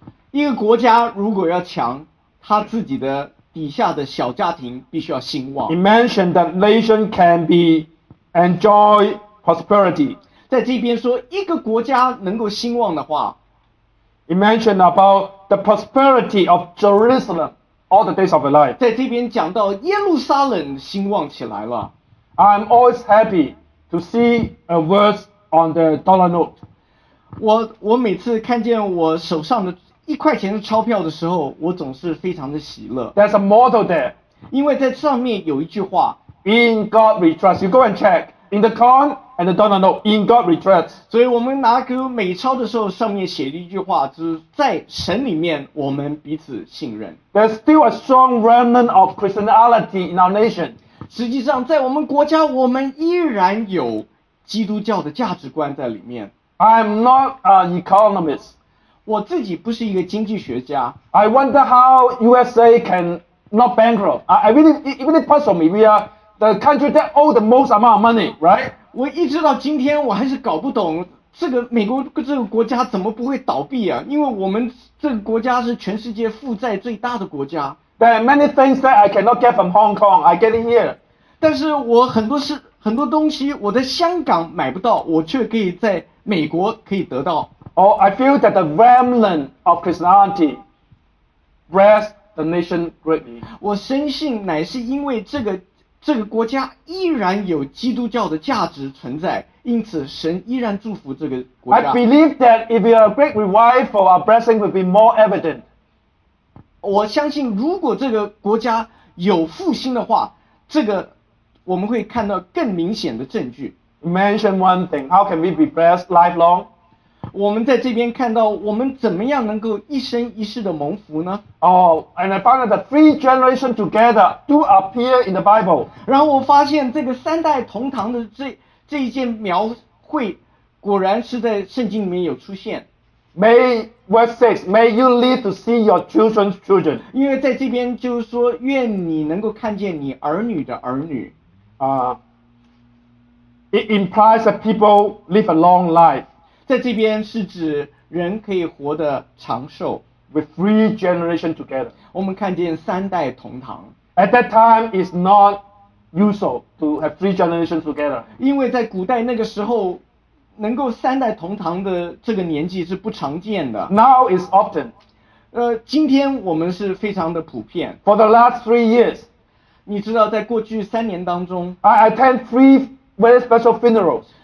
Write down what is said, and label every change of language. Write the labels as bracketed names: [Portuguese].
[Chinese] 一个国家如果要强，他自己的底下的小家庭必须要兴旺。 [English] It mentioned that nation can be enjoy prosperity. [Chinese] 在这边说一个国家能够兴旺的话 [English] It mentioned about the prosperity of Jerusalem all the days of your life. [Chinese] 在这边讲到耶路撒冷兴旺起来了。 [English] I'm always happy to see a verse on the dollar note. [Chinese] 我每次看见我手上的一块钱的钞票的时候，我总是非常的喜乐。 [English] There's a motto there. [Chinese] 因为在上面有一句话 [English] In God we trust. You go and check. In the coinAnd the dollar note, in God we trust. [Chinese] 所以我们拿给美钞的时候上面写了一句话，就是在神里面我们彼此信任。 [English] There's still a strong remnant of Christianity in our nation. [Chinese] 实际上在我们国家我们依然有基督教的价值观在里面。 [English] I'm not an economist. [Chinese] 我自己不是一个经济学家。 [English] I wonder how USA can not bankrupt. It really puzzles me. We are the country that owes the most amount of money, right? [Chinese] 我一直到今天我还是搞不懂这个美国这个国家怎么不会倒闭啊，因为我们这个国家是全世界负债最大的国家。 [English] There are many things that I cannot get from Hong Kong, I get it here. [Chinese] 但是我很多东西我在香港买不到，我却可以在美国可以得到。 [English] Oh, I feel that the remnant of Christianity rest the nation greatly. [Chinese] 我深信乃是因为这个国家依然有基督教的价值存在，因此神依然祝福这个国家。 [English] I believe that if we are a great revival, our blessing will be more evident. [Chinese] 我相信如果这个国家有复兴的话，这个我们会看到更明显的证据。 [English] Mention one thing, how can we be blessed lifelong? [Chinese] 我们在这边看到我们怎么样能够一生一世的蒙福呢？ [English] Oh, and I found that the three generations together do appear in the Bible. [Chinese] 然后我发现这个三代同堂的这一件描绘果然是在圣经里面有出现。 [English] May verse 6, may you live to see your children's children. [Chinese] 因为在这边就是说，愿你能够看见你儿女的儿女。 [English] It implies that people live a long life. [Chinese] 在这边是指人可以活得长寿。 [English] With three generations together. [Chinese] 我们看见三代同堂。 [English] At that time, it's not usual to have three generations together. [Chinese] 因为在古代那个时候，能够三代同堂的这个年纪是不常见的。 [English] Now is often. [Chinese] 今天我们是非常的普遍。 [English] For the last 3 years. [Chinese] 你知道在过去三年当中， [English] I attend three very special funerals.